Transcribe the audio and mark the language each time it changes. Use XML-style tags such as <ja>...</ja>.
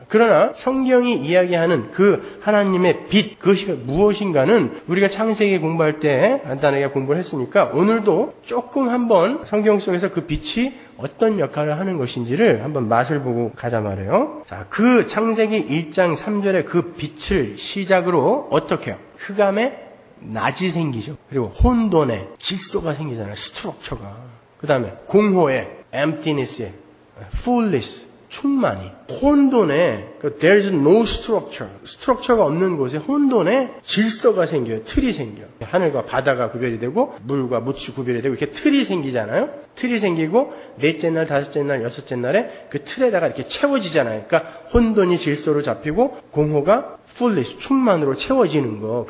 <ko>그러나 성경이 이야기하는 그 하나님의 빛, 그것이 무엇인가는 우리가 창세기 공부할 때 간단하게 공부를 했으니까 오늘도 조금 한번 성경 속에서 그 빛이 어떤 역할을 하는 것인지를 한번 맛을 보고 가자 말해요. 자, 그 창세기 1장 3절에 그 빛을 시작으로 어떻게 해요? 흑암에 낮이 생기죠. 그리고 혼돈에 질서가 생기잖아요. 스트럭처가. 그 다음에 공허에 emptiness에, fullness, 충만이.</ko> <en>혼돈에, there's no structure.</en> <ko>스트럭처가 없는 곳에 혼돈에 질서가 생겨요. 틀이 생겨. 하늘과 바다가 구별이 되고, 물과 무추 구별이 되고, 이렇게 틀이 생기잖아요. 틀이 생기고, 넷째 날, 다섯째 날, 여섯째 날에 그 틀에다가 이렇게 채워지잖아요. 그러니까 혼돈이 질서로 잡히고, 공허가 fullness, 충만으로 채워지는 거.</ko>